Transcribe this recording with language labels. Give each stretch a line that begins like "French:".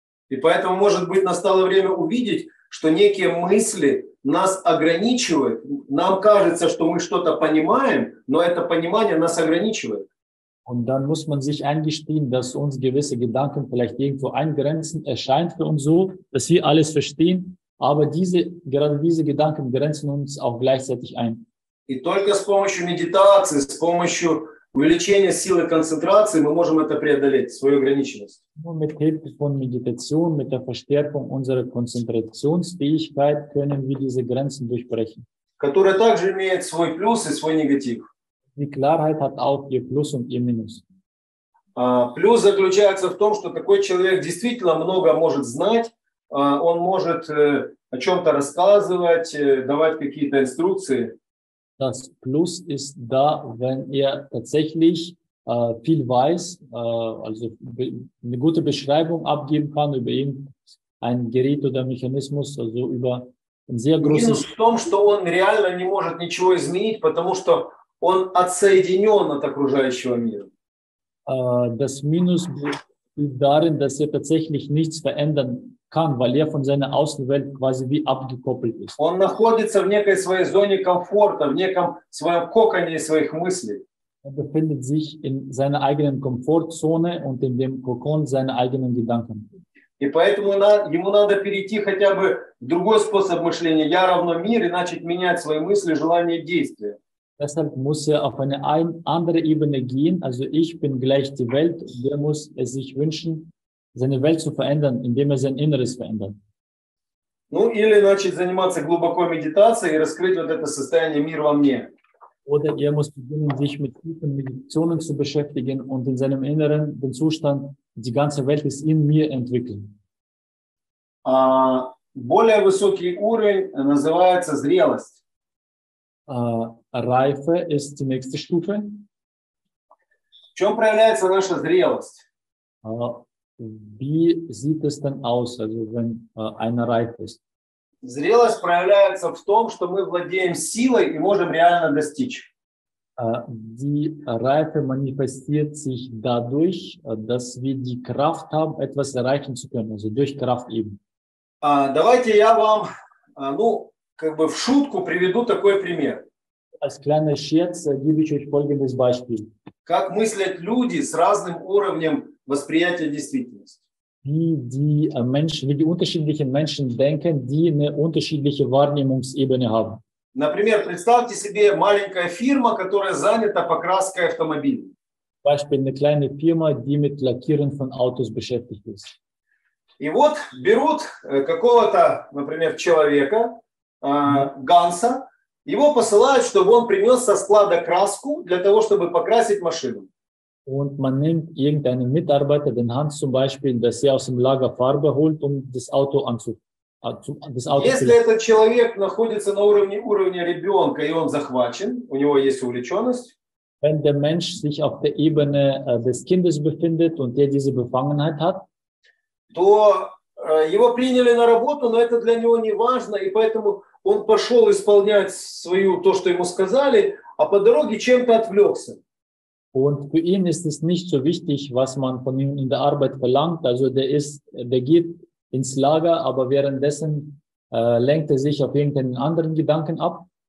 Russian: И поэтому, может быть, настало время увидеть, что некие мысли нас ограничивает. Нам кажется, что мы что-то понимаем, но это понимание нас ограничивает.
German: Und dann muss man sich eingestehen, dass uns gewisse Gedanken vielleicht irgendwo eingrenzen. Es scheint für uns so, dass wir alles verstehen, aber gerade diese Gedanken grenzen uns auch gleichzeitig ein.
Russian: И только с помощью медитации, с помощью увеличения силы концентрации мы можем это преодолеть, свою ограниченность.
German: Nur mit Hilfe von Meditation, mit der Verstärkung unserer Konzentrationsfähigkeit können wir diese Grenzen durchbrechen.
Russian: Которая также имеет свой плюс и свой негатив.
German: Die Klarheit hat auch ihr Plus und ihr Minus.
Russian: Плюс заключается в том, что такой человек действительно много может знать, он может о чем-то рассказывать, давать какие-то инструкции.
German: Das Plus ist da, wenn er tatsächlich viel weiß, also eine gute Beschreibung abgeben kann über irgendein Gerät oder Mechanismus, also über ein sehr großes...
Russian: Минус в том, что он реально не может ничего изменить, потому что он отсоединен от окружающего мира.
German: Das Minus liegt darin, dass er tatsächlich nichts verändern kann, weil er von seiner Außenwelt quasi wie abgekoppelt ist.
Russian: Он находится в некой своей зоне комфорта, в неком своем коконе своих мыслей.
German: Er befindet sich in seiner eigenen Komfortzone und in dem Kokon seiner eigenen Gedanken.
Russian: И поэтому ему надо перейти хотя бы в другой способ мышления. Я равно мир, и начать менять свои мысли, желания, действия.
German: Deshalb muss er auf eine andere Ebene gehen. Also ich bin gleich die Welt. Der muss es sich wünschen, seine Welt zu verändern, indem er sein Inneres verändert.
Russian: Ну или начать заниматься глубокой медитацией и раскрыть вот это состояние мир во мне.
German: Oder er muss beginnen, sich mit tiefen Meditationen zu beschäftigen und in seinem Inneren den Zustand, die ganze Welt ist in mir, entwickeln.
Russian: Более высокий уровень называется зрелость.
German: Reife ist die nächste Stufe.
Russian: В чем проявляется наша зрелость?
German: Wie sieht es denn aus, also wenn einer reif ist?
Russian: Зрелость проявляется в том, что мы владеем силой и можем реально достичь.
German: Die Reife manifestiert sich dadurch, dass wir die Kraft haben, etwas erreichen zu können, also durch Kraft eben.
Russian: Давайте я вам, как бы в шутку приведу такой пример.
German: Als kleiner Scherz gebe ich euch folgendes Beispiel.
Russian: Как мыслят люди с разным уровнем восприятия действительности?
German: Wie die unterschiedlichen Menschen denken, die eine unterschiedliche Wahrnehmungsebene haben.
Russian: Например, представьте себе маленькая фирма, которая занята покраской автомобилей.
German: Beispiel eine kleine Firma, die mit Lackieren von Autos beschäftigt ist.
Russian: И вот берут какого-то, например, человека, Ганса, его посылают, чтобы он принес со склада краску для того, чтобы покрасить машину.
German: Und man nimmt irgendeinen Mitarbeiter, den Hans zum Beispiel, dass er aus dem Lager Farbe holt, um das Auto
Russian: этот человек находится на уровне ребенка, и он захвачен, у него есть увлеченность.
German: Wenn der Mensch sich auf der Ebene des Kindes befindet und der diese Befangenheit hat,
Russian: то его приняли на работу, но это для него не важно, и поэтому он пошел исполнять свою, то, что ему сказали, а по дороге чем-то отвлекся.
German: Und für ihn ist es nicht so wichtig, was man von ihm in der Arbeit verlangt. Also der geht ins Lager, aber währenddessen lenkt er sich auf irgendeinen anderen Gedanken ab.